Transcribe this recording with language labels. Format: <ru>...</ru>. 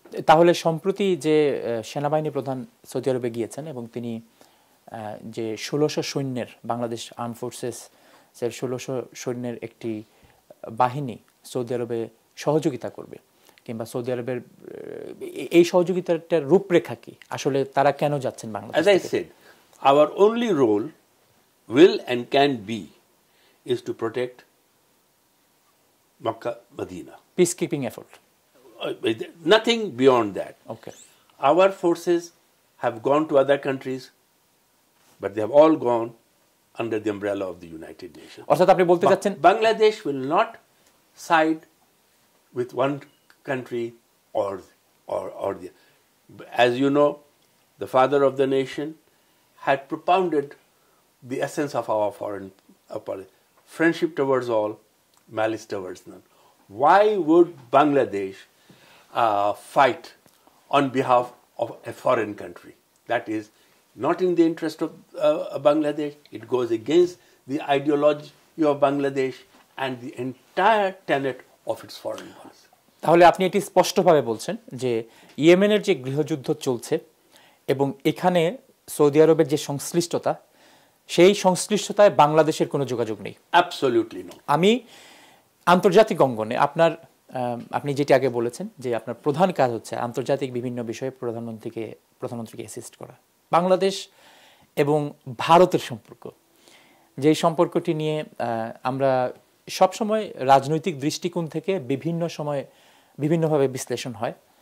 <bn>তাহলে সম্প্রতি যে সেনাবাহিনী প্রধান সৌদি আরবে গিয়েছেন এবং তিনি যে 1600 সৈন্যের, বাংলাদেশ আর্ম ফোর্সেস এর 1600 সৈন্যের একটি বাহিনী সৌদি আরবে সহযোগিতা করবে, কিংবা সৌদি আরবের এই সহযোগিতাটার রূপরেখা কি আসলে, তারা কেন যাচ্ছেন Bangladesh?</bn> <en>As I said, our only role will and can be is to protect Makkah, Medina. Peacekeeping effort. Nothing beyond that. Okay. Our forces have gone to other countries, but they have all gone under the umbrella of the United Nations. Or that, you say that Bangladesh will not side with one country or the. As you know, the father of the nation had propounded the essence of our foreign policy: friendship towards all, malice towards none. Why would Bangladesh fight on behalf of a foreign country? That is not in the interest of Bangladesh. It goes against the ideology of Bangladesh and the entire tenet of its foreign policy.</en> <bn>তাহলে আপনি এটি স্পষ্টভাবে বলছেন যে ইয়েমেনের যে গৃহযুদ্ধ চলছে এবং এখানে সৌদি আরবের যে সংশ্লিষ্টতা, সেই সংশ্লিষ্টতায় বাংলাদেশের কোনো যোগাযোগ নেই?</bn> <en>Absolutely no.</en> <bn>আমি আন্তর্জাতিক অঙ্গনে, আপনার আপনি যেটি আগে বলেছেন যে আপনার প্রধান কাজ হচ্ছে আন্তর্জাতিক বিভিন্ন বিষয়ে প্রধানমন্ত্রীকে অ্যাসিস্ট করা, বাংলাদেশ এবং ভারতের সম্পর্ক, যে সম্পর্কটি নিয়ে আমরা সবসময় রাজনৈতিক দৃষ্টিকোণ থেকে বিভিন্ন সময় বিভিন্নভাবে বিশ্লেষণ হয়,</bn>